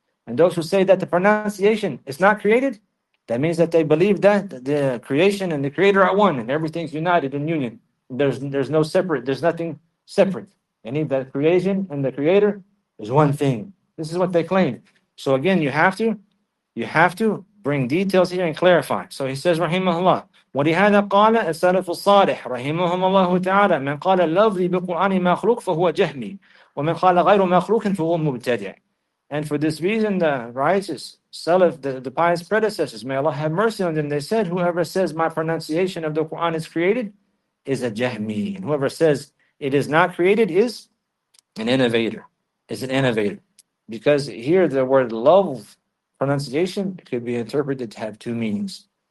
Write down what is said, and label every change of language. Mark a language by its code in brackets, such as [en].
[en] And those who say that the pronunciation is not created, that means that they believe that the creation and the Creator are one, and everything's united in union. There's no separate, there's nothing separate. Any of that creation and the Creator is one thing. This is what they claim. So again, you have to bring details here and clarify. [ar] So he says, Rahimahullah, ولهذا قال السلف الصالح رحمه الله تعالى من قال لفظي بالقرآن مخلوق فهو جهمي ومن قال غير مخلوق فهو مبتدع. [en] And for this reason, the righteous Salaf, the pious predecessors, may Allah have mercy on them, they said, whoever says my pronunciation of the Quran is created is a jahmi, and whoever says it is not created is an innovator. Is an innovator, because here the word love pronunciation could be interpreted to have two meanings.